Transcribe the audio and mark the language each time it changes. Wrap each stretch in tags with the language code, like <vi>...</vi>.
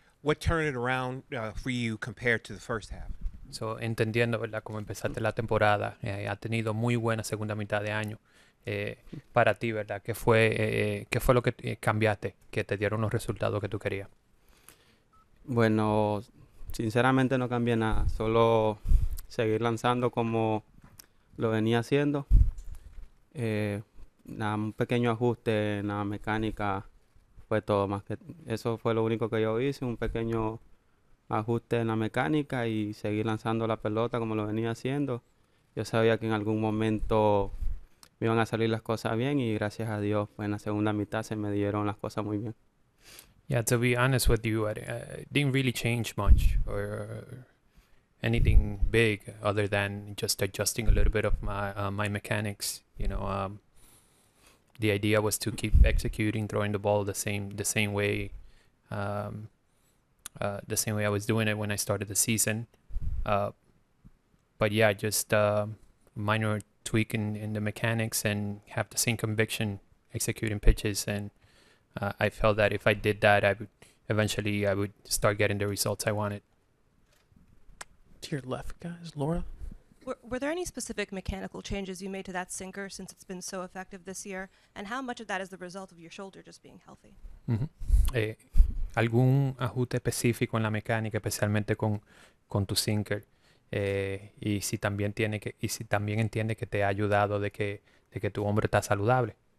<en>What turned it around for you compared to the first half?</en> <es>So, entendiendo, ¿verdad?, cómo empezaste la temporada, ha tenido muy buena segunda mitad de año. Para ti, ¿verdad?, qué fue lo que cambiaste, que te dieron los resultados que tú querías? Bueno, sinceramente no cambié nada, solo seguir lanzando como lo venía haciendo. Nada, un pequeño ajuste en la mecánica fue todo, más que eso fue lo único que yo hice, un pequeño ajuste en la mecánica y seguir lanzando la pelota como lo venía haciendo. Yo sabía que en algún momento me iban a salir las cosas bien y gracias a Dios, pues en la segunda mitad se me dieron las cosas muy bien.</es> <en>Yeah, to be honest with you, it didn't really change much or anything big other than just adjusting a little bit of my mechanics. You know, the idea was to keep executing, throwing the ball the same way, the same way I was doing it when I started the season. But yeah, just minor tweak in the mechanics and have the same conviction executing pitches and. I felt that if I did that, I would eventually start getting the results I wanted. To your left, guys, Laura. Were there any specific mechanical changes you made to that sinker since it's been so effective this year? And how much of that is the result of your shoulder just being healthy?</en> <es>¿Algún ajuste específico en la mecánica, especialmente con tu sinker? ¿Y si también entiende que te ha ayudado de que tu hombro está saludable?</es>